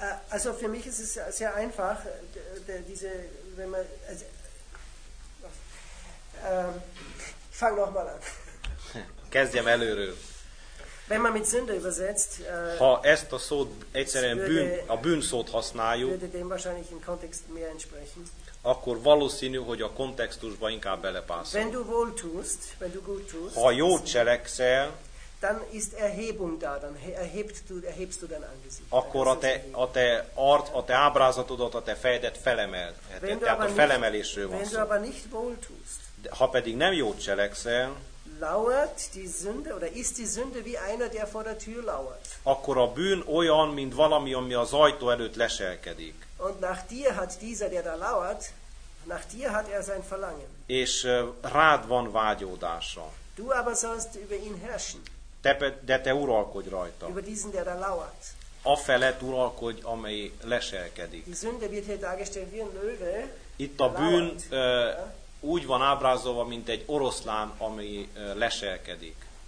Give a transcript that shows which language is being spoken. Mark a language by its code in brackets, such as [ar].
[de] Also für mich ist es sehr einfach, diese, wenn man, ich fange nochmal an. [hu] Kezdjem előről. [de] Wenn man mit Sünde übersetzt, [hu] ha ezt a szót egyszerűen a bűnszót használjuk, [de] würde dem wahrscheinlich im Kontext mehr entsprechen. [hu] Akkor valószínű, hogy a kontextusba inkább belepasszol. [de] Wenn du wohl tust, wenn du gut tust, [hu] ha jót cselekszel, [de] dann ist Erhebung da, dann erhebst du dein Angesicht. [hu] Akkor a te art, a te ábrázatodat, a te fejedet felemelheted. Tehát a felemelésről van szó. [de] Wenn du aber nicht wohl tust, [hu] ha pedig nem jót cselekszel, [de] lauert die Sünde oder ist die Sünde wie einer, der vor der Tür lauert? [hu] Akkor a bűn olyan, mint valami, ami az ajtó előtt leselkedik. [de] Und nach dir hat dieser, der da lauert, nach dir hat sein Verlangen. [hu] És rád van vágyódása. [de] Du aber sollst über ihn herrschen. [hu] De te uralkodj rajta. [de] Über diesen, der da lauert. [hu] A felett uralkodj, amely leselkedik. [de] Die Sünde wird hier dargestellt wie ein Löwe. [hu] Itt a bűn úgy van ábrázolva, mint egy oroszlán, ami leselkedik.